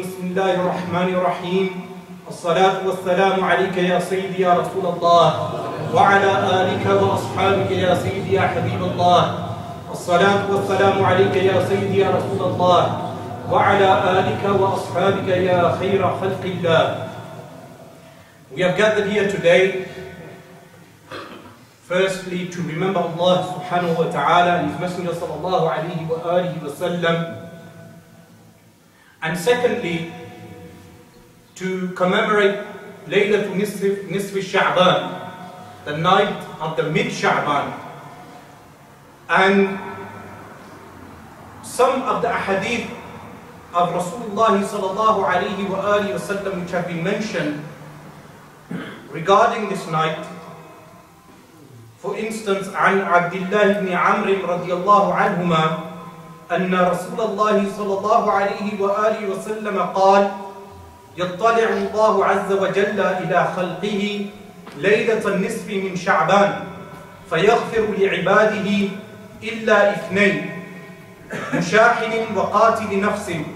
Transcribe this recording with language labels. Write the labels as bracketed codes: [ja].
[ar] بسم الله الرحمن الرحيم. الصلاة والسلام عليك يا سيدي يا رسول الله، وعلى آلك وأصحابك يا سيدي يا حبيب الله. الصلاة والسلام عليك يا سيدي يا رسول الله، وعلى آلك وأصحابك يا خير خلق الله. [en] We have gathered here today firstly to remember Allah subhanahu wa ta'ala and His Messenger [ar] صلى الله عليه وآله وسلم، [en] and secondly to commemorate Laylatul Nisfi Sha'ban, the night of the mid-Sha'ban. And some of the ahadith of Rasulullah sallallahu alayhi wa alihi wa sallam which have been mentioned regarding this night. For instance, [ar] عن عبد الله بن عمر رضي الله عنهما أن رسول الله صلى الله عليه وآله وسلم قال: يطلع الله عز وجل إلى خلقه ليلة النصف من شعبان فيغفر لعباده إلا اثنين، مشاحن وقاتل نفس.